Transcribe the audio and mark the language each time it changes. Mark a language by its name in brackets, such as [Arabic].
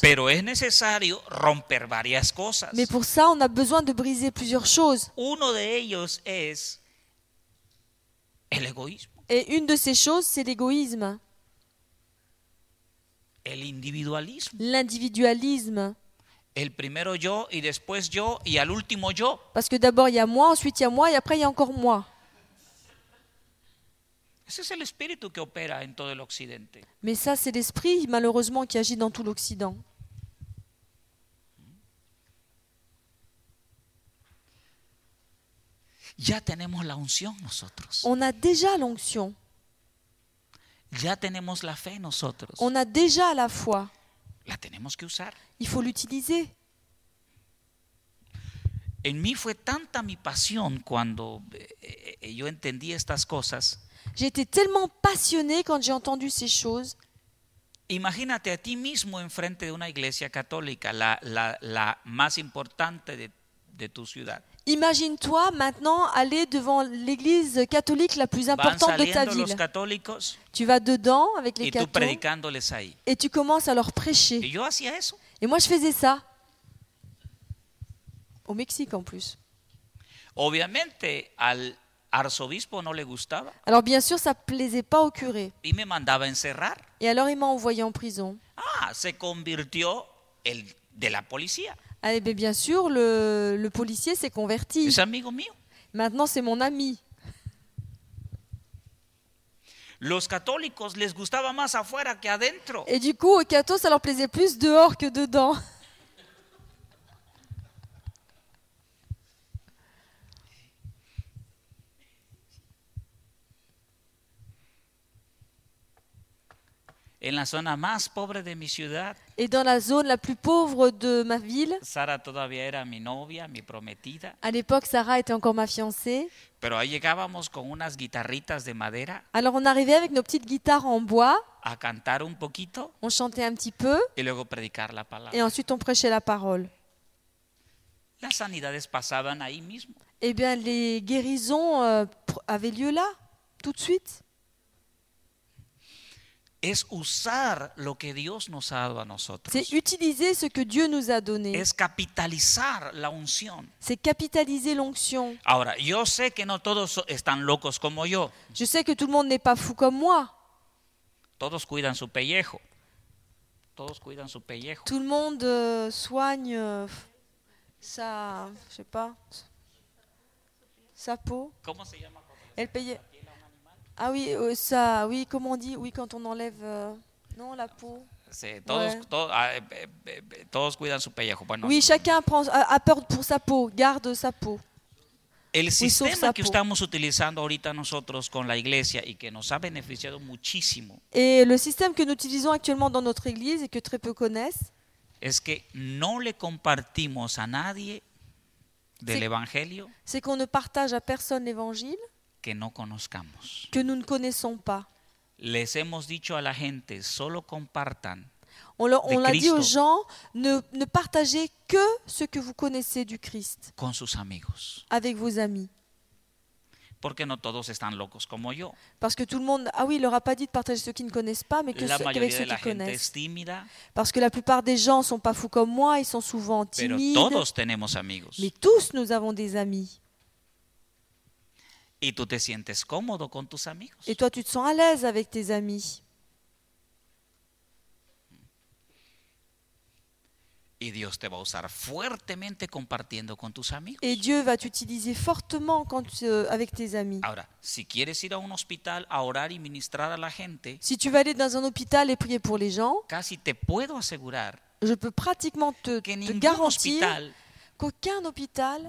[Spanish] Pero es necesario romper varias cosas. [French] Mais pour ça, on a besoin de briser plusieurs choses. [Spanish] Uno de ellos es el egoísmo. [French] Et une de ces choses, c'est l'égoïsme. [Spanish] El individualismo. [French] L'individualisme. [Spanish] El primero yo y después yo y al último yo. [French] Parce que d'abord il y a moi, ensuite il y a moi et après il y a encore moi. [Spanish] Ese es el espíritu que opera en todo el occidente. [French] Mais ça c'est l'esprit malheureusement qui agit dans tout l'Occident. [Spanish] Ya tenemos la unción nosotros. [French] On a déjà l'onction. [Spanish] Ya tenemos la fe nosotros. [French] On a déjà la foi. [Spanish] La tenemos que usar. [French] Il faut l'utiliser. [Spanish] En mí fue tanta mi pasión cuando yo entendí estas cosas. [French] J'étais tellement passionné quand j'ai entendu ces choses. [Spanish] Imagínate a ti mismo enfrente de una iglesia católica, la más importante de tu ciudad. [French] Imagine-toi maintenant aller devant l'église catholique la plus importante de ta ville. [Spanish] Los [French] tu vas dedans avec les catholiques. Et [Spanish] predicándoles ahí. [French] Et tu commences à leur prêcher. Et [Spanish] yo hacía eso. [French] Et moi je faisais ça. Au Mexique en plus. [Spanish] Obviamente al arzobispo no le gustaba. [French] Alors bien sûr ça plaisait pas au curé. [Spanish] Y me mandaba encerrar. [French] Et alors il m'a envoyé en prison. [Spanish] Ah, se convirtió el de la policía. [French] Eh bien, bien sûr, le policier s'est converti. [Spanish] Es amigo mío. [French] Maintenant, c'est mon ami. [Spanish] Los católicos les gustaba más afuera que adentro. [French] Et du coup, aux cathos, ça leur plaisait plus dehors que dedans. [Spanish] En la zona más pobre de mi ciudad. [French] Et dans la zone la plus pauvre de ma ville. [Spanish] Sara todavía era mi novia, mi prometida. [French] À l'époque, Sara était encore ma fiancée. [Spanish] Pero ahí llegábamos con unas guitarritas de madera. [French] Alors on arrivait avec nos petites guitares en bois. [Spanish] A cantar un poquito. [French] On chantait un petit peu. [Spanish] Y luego predicar la palabra. [French] Et ensuite on prêchait la parole. [Spanish] Las sanidades pasaban ahí mismo. [French] Eh bien, les guérisons avaient lieu là, tout de suite. [Spanish] Es usar lo que Dios nos ha dado a nosotros. [French] C'est utiliser ce que Dieu nous a donné. [Spanish] Es capitalizar la unción. [French] C'est capitaliser l'onction. [Spanish] Ahora, yo sé que no todos están locos como yo. [French] Je sais que tout le monde n'est pas fou comme moi. [Spanish] Todos cuidan su pellejo. Todos cuidan su pellejo. [French] Tout le monde soigne sa, je sais pas, sa peau. [Spanish] ¿Cómo se llama? El pellejo. [French] Ah oui, ça, oui, comment on dit, oui, quand on enlève, non, la peau. C'est, [Spanish] todos, [French] ouais. [Spanish] todos cuidan su pellejo. Bueno, [French] oui, chacun prend, a peur pour sa peau, garde sa peau. [Spanish] El sistema que estamos utilizando ahorita nosotros con la iglesia y que nos ha beneficiado muchísimo. [French] Et le système que nous utilisons actuellement dans notre église et que très peu connaissent. [Spanish] Es que no le compartimos a nadie del evangelio. [French] C'est qu'on ne partage à personne l'évangile. [Spanish] Que no conozcamos. [French] Que nous ne connaissons pas. [Spanish] Les hemos dicho a la gente, solo compartan. [French] On l'a dit aux gens, ne partagez que ce que vous connaissez du Christ. [Spanish] Con sus amigos. [French] Avec vos amis. [Spanish] Porque no todos están locos como yo. [French] Parce que tout le monde, ah oui, il leur a pas dit de partager ceux qui ne connaissent pas, mais que avec ceux qui connaissent. [Spanish] La gente es tímida. [French] Parce que la plupart des gens sont pas fous comme moi, ils sont souvent timides. [Spanish] Pero todos tenemos amigos. [French] Mais tous nous avons des amis. [Spanish] Y tú te sientes cómodo con tus amigos. [French] Et toi, tu te sens à l'aise avec tes amis. [Spanish] Y Dios te va a usar fuertemente compartiendo con tus amigos. [French] Et Dieu va t'utiliser fortement quand avec tes amis. [Spanish] Ahora, si quieres ir a un hospital a orar y ministrar a la gente. [French] Si tu veux aller dans un hôpital et prier pour les gens. [Spanish] Casi te puedo asegurar. [French] Je peux pratiquement te garantir qu'aucun hôpital